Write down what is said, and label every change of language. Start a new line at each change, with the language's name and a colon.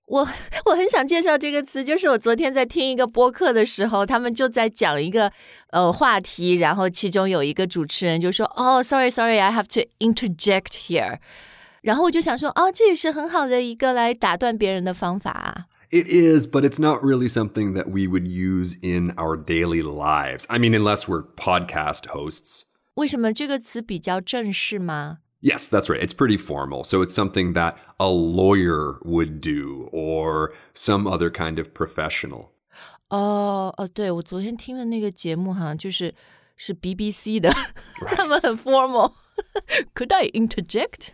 Chinese: 我很想介绍这个词，就是我昨天在听一个播客的时候，他们就在讲一个话题，然后其中有一个主持人就说，哦、
English: oh, ，sorry, I have to interject here，
Chinese: 然后我就想说，哦、oh, ，这也是很好的一个来打断别人的方法啊。
English: It is, but it's not really something that we would use in our daily lives. I mean, unless we're podcast hosts.
Chinese: 为什么这个词比较正式吗？
English: Yes, that's right. It's pretty formal. So it's something that a lawyer would do or some other kind of professional.
Chinese: Oh, 对我昨天听的那个节目好像就是是 BBC 的、
English: right.
Chinese: 他们很
English: formal. Could I interject?